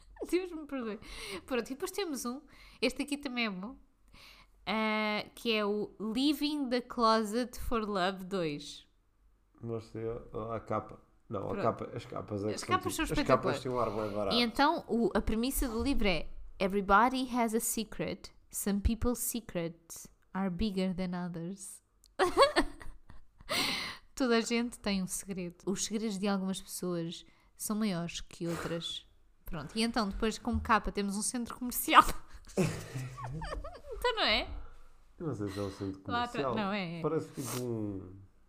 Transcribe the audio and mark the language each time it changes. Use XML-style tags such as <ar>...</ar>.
<pt>Deus me perdoe. Pronto, e depois temos um... Este aqui também é bom, que é o Leaving the Closet for Love 2. Mostra a capa. Não, a capa, as capas, as capas são espetaculares. As capas têm um ar bem barato. E então, a premissa do livro é</pt> <en>Everybody has a secret. Some people's secrets are bigger than others.</en> <pt>Toda a gente tem um segredo. Os segredos de algumas pessoas são maiores que outras. Pronto, e então, depois como capa, temos um centro comercial. Então não é? Não sei se é um centro comercial. Lá, não, é. Parece tipo um...</pt>